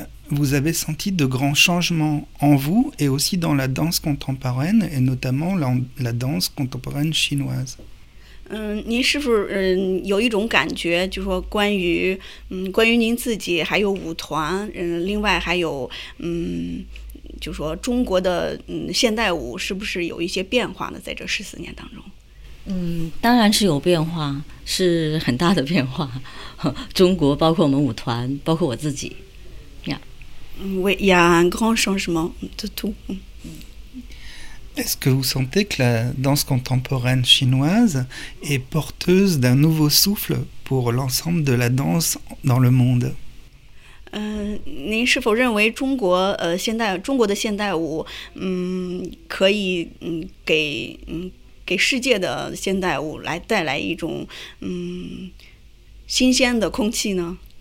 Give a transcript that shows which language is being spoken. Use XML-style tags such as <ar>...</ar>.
<fr>Vous avez senti de grands changements en vous et aussi dans la danse contemporaine et notamment la danse contemporaine chinoise.</fr> <zh>您是否有一种感觉，就说关于您自己还有舞团，另外还有就说中国的现代舞是不是有一些变化呢？在这十四年当中。当然是有变化，是很大的变化。中国包括我们舞团，包括我自己。</zh> <fr>Oui, il y a un grand changement de tout. Est-ce que vous sentez que la danse contemporaine chinoise est porteuse d'un nouveau souffle pour l'ensemble de la danse dans le monde?</fr> <zh>您是否认为中国的现代舞可以给世界的现代舞来带来一种新鲜的空气呢？</zh>